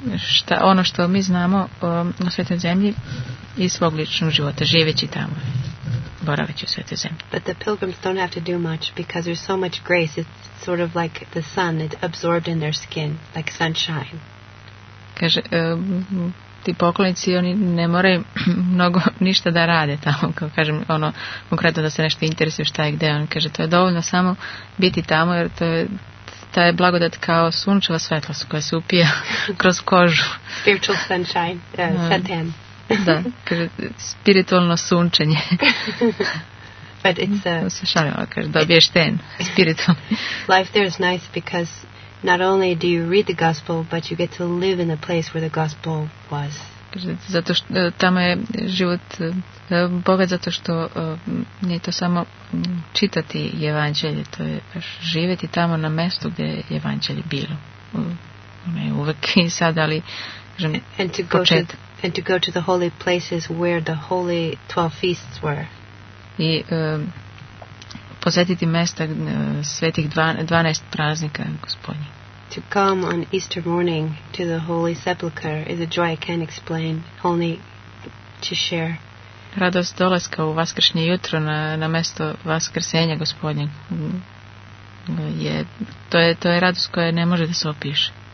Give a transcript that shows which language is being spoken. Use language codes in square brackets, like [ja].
[sr] Šta, ono što mi znamo o svetoj zemlji i svog ličnog života, živeći tamo, boraveći u svetoj zemlji. [en] But the pilgrims don't have to do much because there's so much grace. It's sort of like the sun, it's absorbed in their skin, like sunshine. [sr] Kaže, ti poklonici, oni ne moraju mnogo ništa da rade tamo, kao kažem, ono, konkretno da se nešto interesuje šta je gde. On kaže, to je dovoljno samo biti tamo, jer to je ta je blagodat kao sunčeva svetlost koja se upija kroz kožu. [en] Spiritual sunshine, satan. [sr] Da, kaže, spiritualno sunčenje. [en] But it's a... [sr] Osvešavim, kaže, dobiješ ten, spiritualno. [en] Life there is nice because... Not only do you read the gospel, but you get to live in the place where the gospel was. [sr] Zato što tamo je život bogat, zato što nije to samo čitati evanđelje, to je baš živjeti tamo na mjestu gdje je evanđelje bilo. Ne uvek i sad, ali kažem, [en] And to go to the holy places where the holy 12 feasts were. [sr] I posjetiti mjesta svetih 12 praznika Gospodnje. [en] To come on Easter morning to the Holy Sepulchre is a joy I can't explain, only to share. [sr] Radost dolaska u vaskršnje jutro na mjesto vaskrsenja Gospodnje je to je radost koja ne može da se opiše.